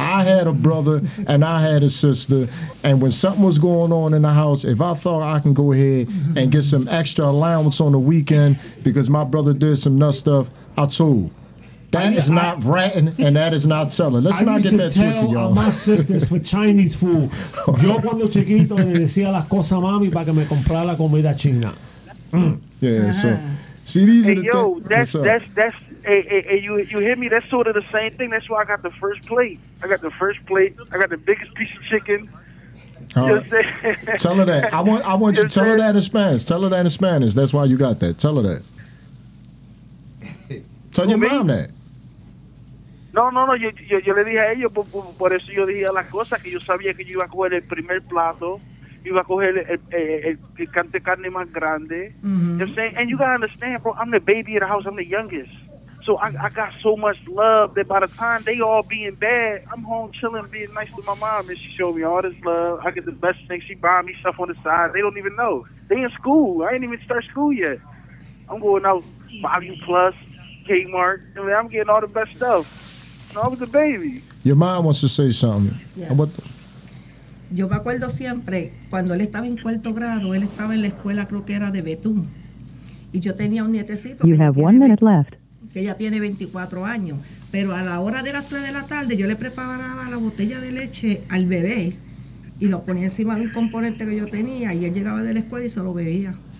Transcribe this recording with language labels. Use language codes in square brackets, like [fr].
[en] I had a brother and I had a sister, and when something was going on in the house, if I thought I can go ahead and get some extra allowance on the weekend because my brother did some nut stuff, I told. That is not ratting, and that is not telling. Let's not get that twisted, y'all. My sisters for Chinese food. [es] Yo cuando chiquito le decía las cosas a mami para que me comprara la comida china. [en] Yeah, so see these hey, are the things. That's Hey, you hear me? That's sort of the same thing. That's why I got the first plate. I got the biggest piece of chicken. Tell her that. I want you to tell her that in Spanish. Tell her that in Spanish. That's why you got that. Tell her that. Tell your mom that. No. [es] Yo le dije a ellos, por eso yo dije a las cosas, que yo sabía que yo iba a coger el primer plato. [en] You got to go ahead and [es] carne más grande. Mm-hmm. [en] You know what I'm saying? And you got to understand, bro, I'm the baby of the house. I'm the youngest. So I got so much love that by the time they all being bad, I'm home chilling, being nice to my mom, and she showed me all this love. I get the best thing. She buy me stuff on the side. They don't even know. They in school. I ain't even start school yet. I'm going out Value Plus, Kmart. I mean, I'm getting all the best stuff. So I was a baby. Your mom wants to say something. Yeah. [es] Yo me acuerdo siempre, cuando él estaba en cuarto grado, él estaba en la escuela, creo que era de Betún. Y yo tenía un nietecito. [en] You have 1 minute left. [es] Que ella tiene 24 años. Pero a la hora de las 3 de la tarde, yo le preparaba la botella de leche al bebé y lo ponía encima de un componente que yo tenía y él llegaba de la escuela y se lo bebía.